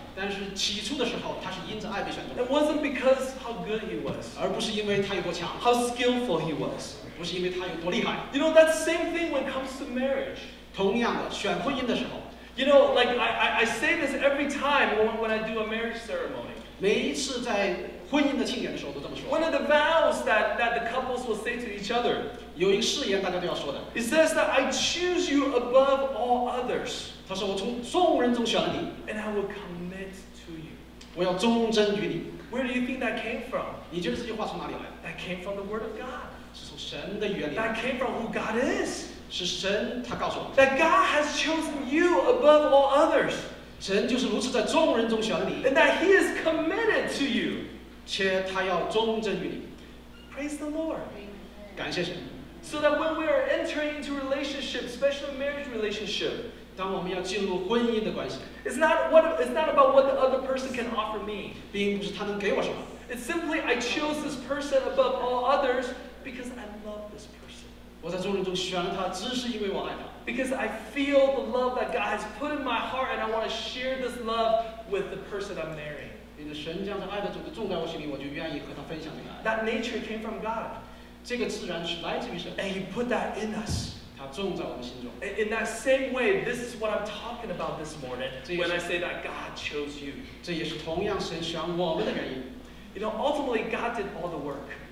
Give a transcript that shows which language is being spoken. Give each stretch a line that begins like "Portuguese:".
Chinese: 但是起初的时候，他是因着爱被选中。
English: It wasn't because how good he was，
Chinese: 而不是因为他有多强。
English: How skillful he was，
Chinese: 不是因为他有多厉害。
English: You know that same thing when it comes to marriage，
Chinese: 同样的，选婚姻的时候。
English: You know, like I say this every time when I do a marriage ceremony，
Chinese: 每一次在婚姻的庆典的时候都这么说。
English: One of the vows that the couples will say to each other，
Chinese: 有一个誓言大家都要说的。
English: It says that I choose you above all others。
Chinese: 他说我从众人中选了你。
English: And I will commit to you。
Chinese: 我要忠贞于你。
English: Where do you think that came from？
Chinese: 你觉得这句话从哪里来
English: ？That came from the Word of God。
Chinese: 是从神的语言里。
English: That came from who God is。
Chinese: 是神他告诉我。
English: That God has chosen you above all others。
Chinese: 神就是如此在众人中选了你。
English: And that He is committed to you。
Chinese: 且他要忠贞于你。
English: Praise the Lord。
Chinese: 感谢神。
English: So that when we are entering into relationship, especially marriage relationship。
Chinese: 当我们要进入婚姻的关系
English: it's not about what the other person can offer me，
Chinese: 并不是他能给我什么。
English: It's simply I chose this person above all others because I love this person。
Chinese: 我在众人中选了他，只是因为我爱他。
English: Because I feel the love that God has put in my heart, and I want to share this love with the person I'm marrying。
Chinese: 因为神将这爱的种子种在我心里，我就愿意和他分享这个爱。
English: That nature came from God。
Chinese: 这个自然是来自于神。
English: And He put that in us。
Chinese: 他
English: In that same way, this is what I'm talking about this morning when I say that God chose you. You know, ultimately, God did all the work.